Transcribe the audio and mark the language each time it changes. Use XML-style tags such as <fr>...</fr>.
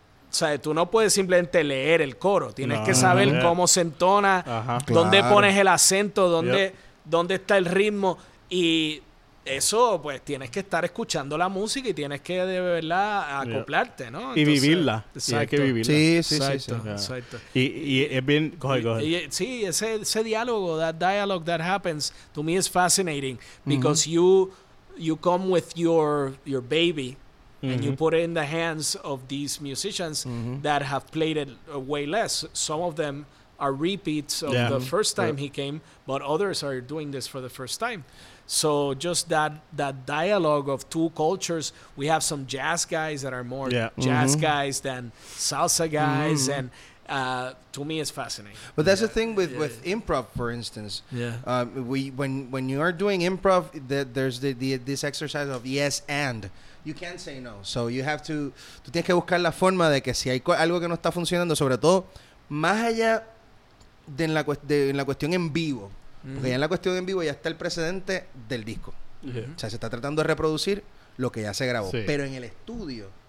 <es>O sea, tú no puedes simplemente leer el coro, tienes que saber cómo se entona, dónde pones el acento, dónde está el ritmo, y eso, pues, tienes que estar escuchando la música y tienes que, de verdad, acoplarte, ¿no? Y vivirla. Y hay que vivirla. Sí. Y es bien...</es> <en>Go ahead.</en> <es>Sí, ese diálogo,</es> <en>that dialogue that happens, to me is fascinating. Because you come with your baby, mm-hmm. and you put it in the hands of these musicians mm-hmm. that have played it way less. Some of them are repeats of yeah. the first time yeah. he came, but others are doing this for the first time. So just that dialogue of two cultures, we have some jazz guys that are more yeah. jazz mm-hmm. guys than salsa guys, mm-hmm. and to me, it's fascinating. But that's yeah. the thing with, yeah. with improv, for instance. Yeah. When you are doing improv, there's this exercise of yes and. You can't say no. So you have to...</en> <es>Tú tienes que buscar la forma de que si hay algo que no está funcionando, sobre todo, más allá de en la cuestión en vivo. Mm-hmm. Porque ya en la cuestión en vivo ya está el precedente del disco.</es> <en>Yeah.</en> <es>O sea, se está tratando de reproducir lo que ya se grabó. Sí. Pero en el estudio...</es>